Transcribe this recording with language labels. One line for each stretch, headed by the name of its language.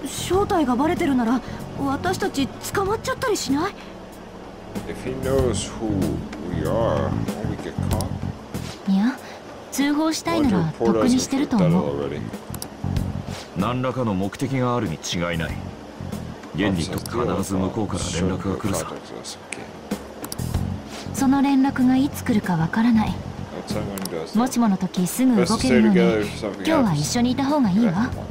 Japanese: 正体がバレてるなら私たち捕まっちゃったりしない？
English: If he knows who we are, won't we get caught?
Japanese: いや、通報したいならとっくにしてると思う。何らかの目的があるに違いない。現にと必ず向こうから連絡が来るさ。その連絡がいつ来るかわからない。もしもの時すぐ動けるように今日は一緒にいた方がいいわ。